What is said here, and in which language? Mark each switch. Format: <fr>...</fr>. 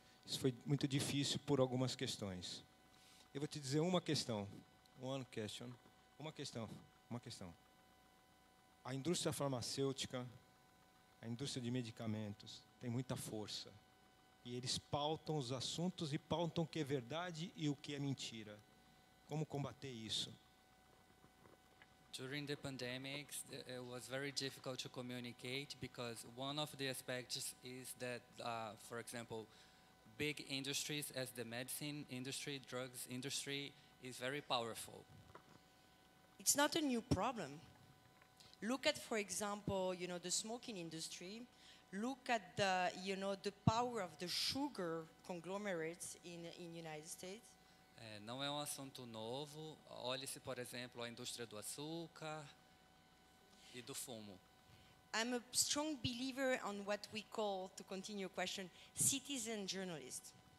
<pt>Isso foi muito difícil por algumas questões. Eu vou te dizer uma questão.</pt> <en>One question.</en> <pt>Uma questão. A indústria farmacêutica, a indústria de medicamentos, tem muita força. E eles pautam os assuntos e pautam o que é verdade e o que é mentira. Como combater isso?</pt> <en>During the pandemic, it was very difficult to communicate because one of the aspects is that, for example, big industries as the medicine industry, drugs industry, is very powerful. It's not a new problem. Look at, for example, you know, the smoking industry. Look at the, you know, the power of the sugar conglomerates in United States.</en> <pt>Não é um assunto novo. Olhe-se, por exemplo, a indústria do açúcar e do fumo.</pt> <en>I'm a strong believer on what we call, to continue your question, citizen journalist.</en>